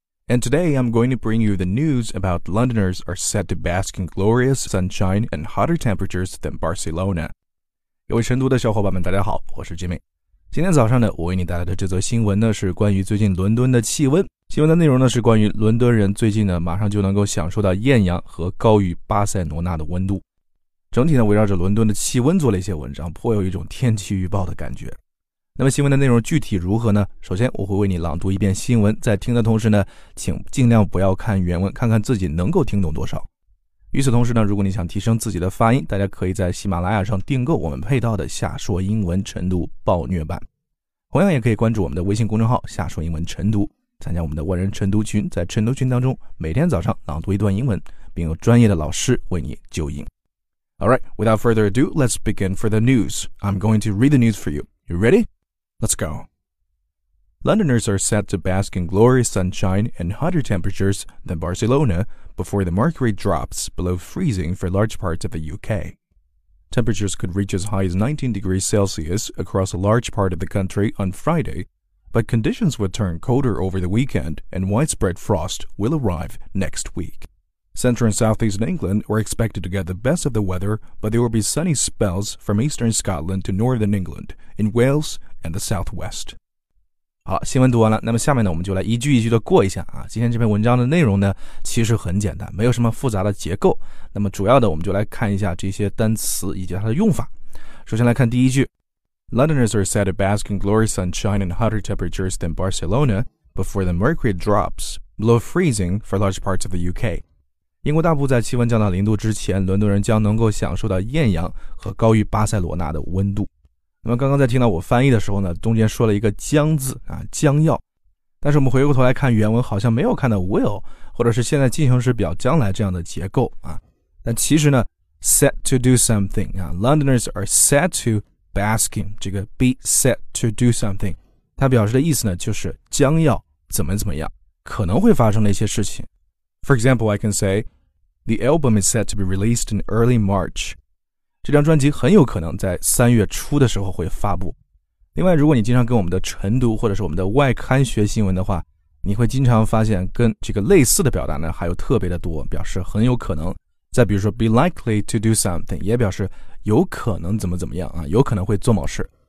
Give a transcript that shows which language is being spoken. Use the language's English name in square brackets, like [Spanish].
[English] And today I'm going to bring you the news about Londoners are set to bask in glorious sunshine and hotter temperatures than Barcelona. [Chinese] 各位晨读的小伙伴们大家好，我是 Jimmy。今天早上呢，我为你带来的这则新闻呢，是关于最近伦敦的气温。新闻的内容呢，是关于伦敦人最近呢，马上就能够享受到艳阳和高于巴塞罗那的温度。整体呢，围绕着伦敦的气温做了一些文章，颇有一种天气预报的感觉。那么新闻的内容具体如何呢？首先我会为你朗读一遍新闻，在听的同时呢，请尽量不要看原文，看看自己能够听懂多少。与此同时呢，如果你想提升自己的发音，大家可以在喜马拉雅上订购我们配套的夏说英文晨读暴虐版，同样也可以关注我们的微信公众号夏说英文晨读，参加我们的万人晨读群，在晨读群当中每天早上朗读一段英文，并有专业的老师为你纠音。 [English] Alright, without further ado, let's begin for the news. I'm going to read the news for you. You ready? Let's go. Londoners are set to bask in glorious sunshine and hotter temperatures than Barcelonabefore the mercury drops below freezing for large parts of the UK. Temperatures could reach as high as 19 degrees Celsius across a large part of the country on Friday, but conditions will turn colder over the weekend and widespread frost will arrive next week. Central and southeast England are expected to get the best of the weather, but there will be sunny spells from eastern Scotland to northern England, in Wales and the southwest. [Chinese] 好，新闻读完了，那么下面呢，我们就来一句一句的过一下啊。今天这篇文章的内容呢，其实很简单，没有什么复杂的结构。那么主要的，我们就来看一下这些单词以及它的用法。首先来看第一句 [English] ，Londoners are set to bask in glorious sunshine and hotter temperatures than Barcelona before the mercury drops below freezing for large parts of the UK。 [Chinese] 英国大部在气温降到零度之前，伦敦人将能够享受到艳阳和高于巴塞罗那的温度。那么刚刚在听到我翻译的时候呢，中间说了一个将字啊，将要。但是我们回过头来看原文，好像没有看到 will 或者是现在进行时表将来这样的结构啊。但其实呢 [English] set to do something 啊 ,Londoners are set to basking, 这个 be set to do something, [Chinese] 它表示的意思呢就是将要怎么怎么样，可能会发生的一些事情。 [English] For example, I can say, the album is set to be released in early March. [Chinese] 这张专辑很有可能在三月初的时候会发布。另外，如果你经常跟我们的晨读或者是我们的外刊学新闻的话，你会经常发现跟这个类似的表达呢还有特别的多，表示很有可能。再比如说 [English] be likely to do something, [Chinese] 也表示有可能怎么怎么样啊，有可能会做某事。